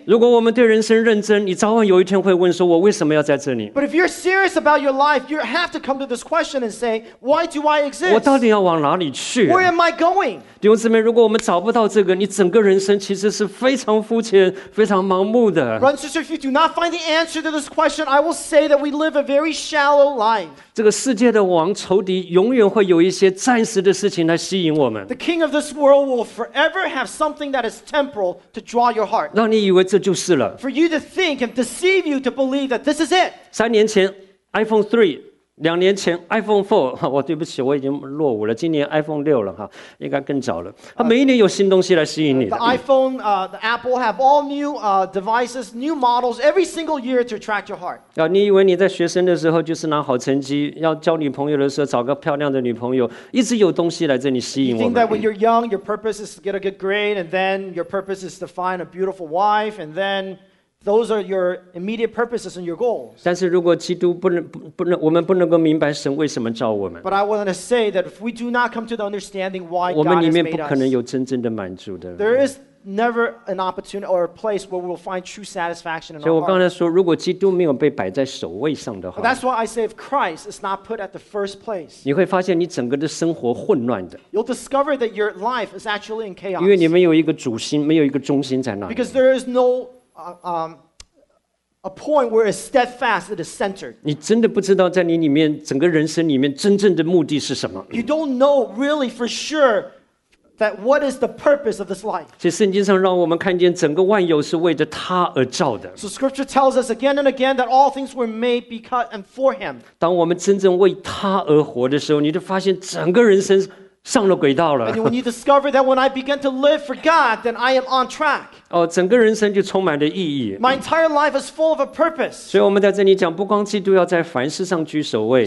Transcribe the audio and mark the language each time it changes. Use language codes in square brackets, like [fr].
[zh] 如果我们对人生认真，你早晚有一天会问说，我为什么要在这里？ [en] But if you're serious about your life, you have to come to this question and say, Why do I exist? [zh] 我到底要往哪里去？ [en] Where am I going? [zh] 弟兄姊妹，如果我们找不到这个，你整个人生其实是非常肤浅、非常盲目的。 [en] Brothers, if you do not find the answer to this question, I will say that we live a very shallow life. [zh] 这个世界的王仇敌永远会有一些暂时的事情来吸引我们。 [en] The king of this world will forever have something that is temporal to draw your heart. [zh] 让你以为这就是了。 [en] For you to think and deceive you to believe that this is it. [zh] 三年前 ，iPhone 3， 两年前 iPhone 4， 我对不起，我已经落伍了。今年 iPhone 6了哈，应该更早了。它每一年有新东西来吸引你的。 [en] The iPhone, the Apple have all new devices, new models every single year to attract your heart. [zh] 你以为你在学生的时候就是拿好成绩，要交女朋友的时候找个漂亮的女朋友，一直有东西来这里吸引我们。 [en] You think that when you're young, your purpose is to get a good grade, and then your purpose is to find a beautiful wife, and then. Those are your immediate purposes and your goals. [zh] 但是如果基督不能我们不能够明白神为什么造我们。 [en] But I want to say that if we do not come to the understanding why God has made us, [zh] 我们里面不可能有真正的满足的。 [en] There is never an opportunity or a place where we'll find true satisfaction in our heart. [zh] 所以我刚才说，如果基督没有被摆在首位上的话 [en] ，But that's why I say if Christ is not put at the first place, [zh] 你会发现你整个的生活混乱的。 [en] You'll discover that your life is actually in chaos. [zh] 因为你没有一个主心，没有一个中心在那里。 [en] Because there is no a point where it's steadfast, it is centered. [zh] 你真的不知道在你里面整个人生里面真正的目的是什么。 [en] You don't know really for sure that what is the purpose of this life. [zh] 其实圣经上让我们看见整个万有是为着他而造的。 [en] So scripture tells us again and again that all things were made because and for him. [zh] 当我们真正为他而活的时候，你就发现整个人生上了轨道了。 [en] And when you discover that when I begin to live for God, then I am on track. [zh] 哦，整个人生就充满了意义。 [en] My entire life is full of a purpose. [zh] 所以我们在这里讲，不光基督要在凡事上居首位。